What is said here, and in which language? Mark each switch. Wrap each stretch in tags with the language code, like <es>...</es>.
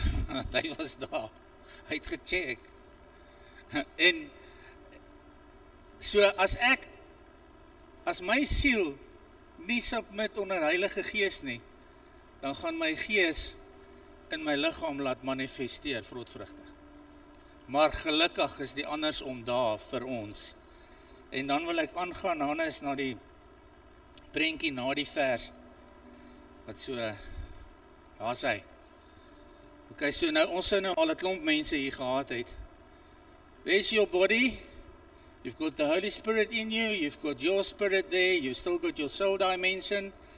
<af>Want hy was daar. Hy het gecheck. En so as ek, as my siel nie submit onder Heilige Gees nie, dan gaan my gees in my lichaam laat manifesteer, vrotvrugte. Maar gelukkig is die andersom daar vir ons. En dan wil ek aangaan, Hannes, na die prentjie, na die vers, wat so, daar is hy. Ok, so nou, ons het nou al het klomp mense hier gehad het.</af> <en>Where's your body? You've got the Holy Spirit in you, you've got your spirit there, you've still got your soul dimension,</en>